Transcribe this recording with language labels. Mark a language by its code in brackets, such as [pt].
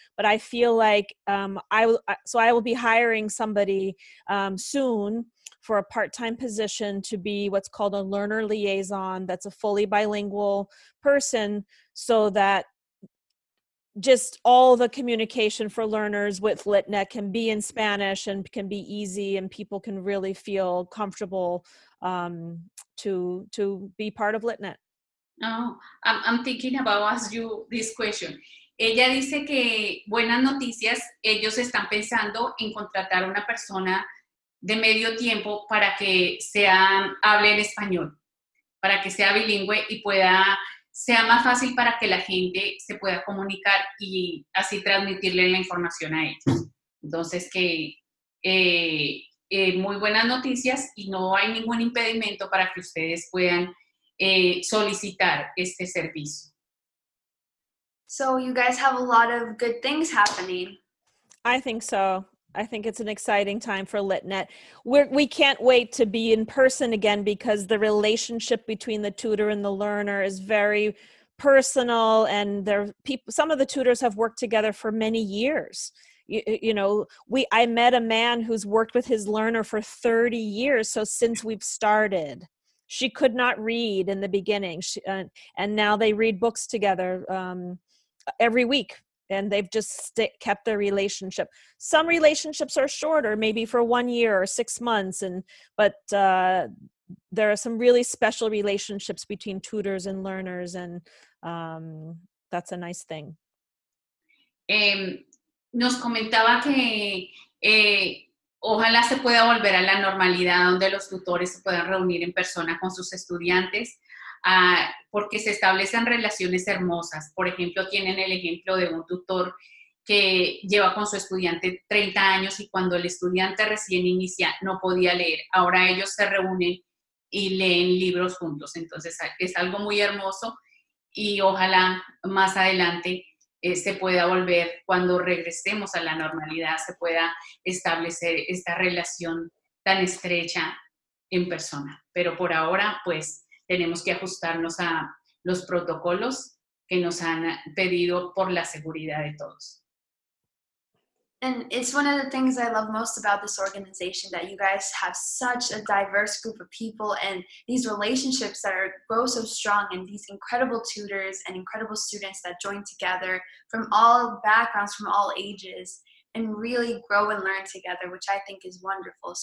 [en] But I feel like I will be hiring somebody soon for a part-time position to be what's called a learner liaison, that's a fully bilingual person, so that just all the communication for learners with LitNet can be in Spanish and can be easy, and people can really feel comfortable to be part of LitNet. Oh, I'm thinking about asking you this question. [es] Ella dice que buenas noticias, ellos están pensando en contratar una persona de medio tiempo para que sea, hable en español, para que sea bilingüe y pueda, sea más fácil para que la gente se pueda comunicar y así transmitirle la información a ellos. Entonces, que muy buenas noticias y no hay ningún impedimento para que ustedes puedan solicitar este servicio. [en] So you guys have a lot of good things happening. I think so. I think it's an exciting time for LitNet. We can't wait to be in person again, because the relationship between the tutor and the learner is very personal, and some of the tutors have worked together for many years. I met a man who's worked with his learner for 30 years. So since we've started, she could not read in the beginning. And now they read books together every week. And they've just kept their relationship. Some relationships are shorter, maybe for 1 year or 6 months. But there are some really special relationships between tutors and learners. And that's a nice thing. [es] Nos comentaba que ojalá se pueda volver a la normalidad donde los tutores se puedan reunir en persona con sus estudiantes. Porque se establecen relaciones hermosas. Por ejemplo, tienen el ejemplo de un tutor que lleva con su estudiante 30 años y cuando el estudiante recién inicia no podía leer. Ahora ellos se reúnen y leen libros juntos. Entonces es algo muy hermoso y ojalá más adelante se pueda volver, cuando regresemos a la normalidad, se pueda establecer esta relación tan estrecha en persona. Pero por ahora, pues, tenemos que ajustarnos a los protocolos que nos han pedido por la seguridad de todos. [en] And it's one of the things I love most about this organization, that you guys have such a diverse group of people and these relationships that grow so strong, and these incredible tutors and incredible students that join together from all backgrounds, from all ages, and really grow and learn together, which I think is wonderful.